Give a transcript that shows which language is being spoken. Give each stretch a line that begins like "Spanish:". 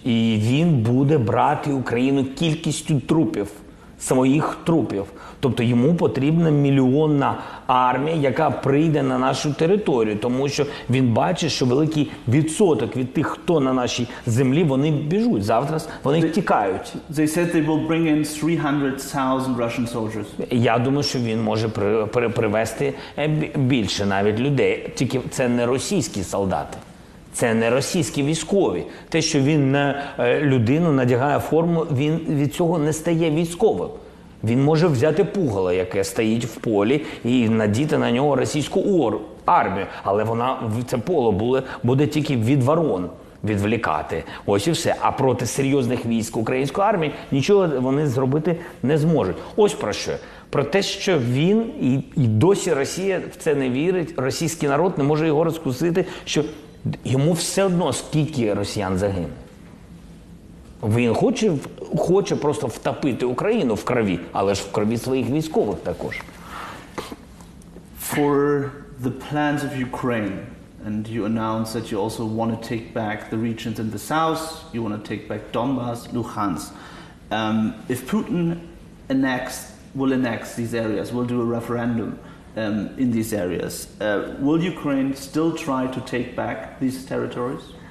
Ukrainian: І він буде брати Україну кількістю трупів. Своїх трупів. Тобто йому потрібна мільйонна армія, яка прийде на нашу територію. Тому що він бачить, що великий відсоток від тих, хто на нашій землі, вони біжуть. Завтра вони втікають.
English: They said they will bring in 300,000 Russian soldiers.
Ukrainian: Я думаю, що він може привезти більше навіть людей. Тільки це не російські солдати. Це не російські військові. Те, що він на людину надягає форму, він від цього не стає військовим. Він може взяти пугало, яке стоїть в полі, і надіти на нього російську армію. Але вона це поле буде тільки від ворон відвлікати. Ось і все. А проти серйозних військ української армії нічого вони зробити не зможуть. Ось про що. Про те, що він і досі Росія в це не вірить, російський народ не може його розкусити, що... Йому все одно, скільки росіян загине. Він хоче просто втопити Україну в крові, але ж в крові своїх військових також.
English: For the plans of Ukraine, and you announced that you also want to take back the regions in the south, you want to take back Donbas, Luhansk. If Putin will annex these areas, will do a referendum in these areas, will Ukraine still try to take back these territories?